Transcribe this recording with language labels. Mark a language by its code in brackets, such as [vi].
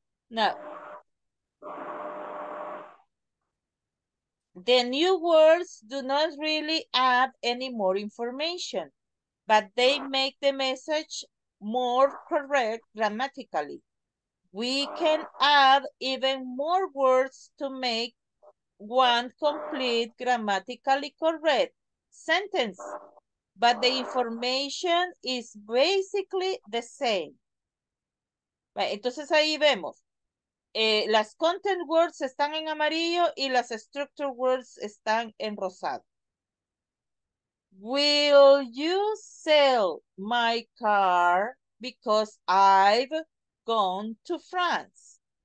[en] Now, the new words do not really add any more information, but they make the message more correct grammatically. We can add even more words to make one complete grammatically correct sentence, but the information is basically the same. [es] Entonces ahí vemos, las content words están en amarillo y las structure words están en rosado. [en] Will you sell my car because I've gone to France?